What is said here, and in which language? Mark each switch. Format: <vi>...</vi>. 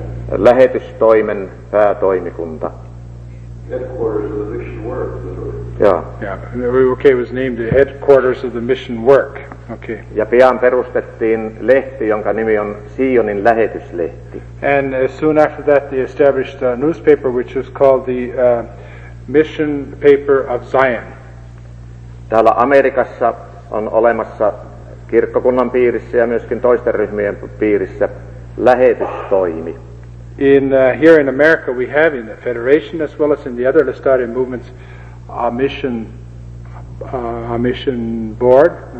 <fi>Lähetystoimen päätoimikunta.</fi> <en>Headquarters of the mission work. Yeah. Yeah. Okay, it was named the headquarters of the mission work. Okay.</en> <fi>Ja pian perustettiin lehti, jonka nimi on Sionin lähetyslehti.</fi> <en>And soon after that they established a newspaper which was called the Mission Paper of Zion.</en> <fi>Täällä Amerikassa on olemassa kirkkokunnan piirissä ja myöskin toisten ryhmien piirissä lähetystoimi.</fi> <en>In here in America we have in the Federation as well as in the other Lestadian movements a mission board.</en>